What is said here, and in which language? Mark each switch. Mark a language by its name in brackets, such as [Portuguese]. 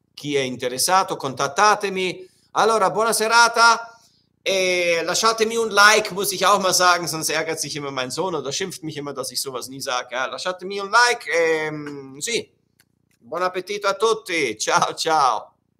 [Italian] Chi è interessato, contattatemi. Allora, buona serata e lasciatemi un like, [German] muss ich auch mal sagen, sonst ärgert sich immer mein Sohn oder schimpft mich immer, dass ich sowas nie sage. [Italian] Ja, lasciatemi un like e sì, buon appetito a tutti, ciao ciao.